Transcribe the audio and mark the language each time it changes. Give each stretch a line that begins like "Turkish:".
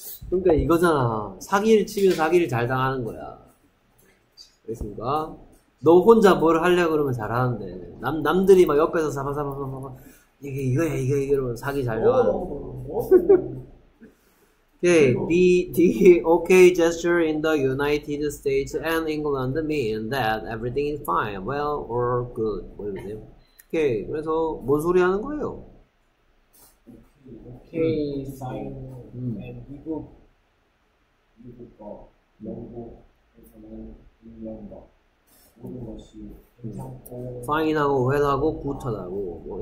Korean: 그러니까 이거잖아. 사기를 치면 사기를 잘 당하는 거야. 알겠습니까? 너 혼자 뭘 하려고 그러면 잘하는데. 남들이 막 옆에서 사바사바사바 이게 이거야, 이거야, 이러면 사기 잘 당하는 거야.
English: 오케이, okay, gesture in the United States and England mean that everything is fine, well, or good.
Korean: 보여주세요. 오케이, 그래서 뭔 소리 하는 거예요? 오케이, fine, and 미국, 영국, 일본, 인도, 모든 것이 괜찮고, fine하고, well하고, good하다고.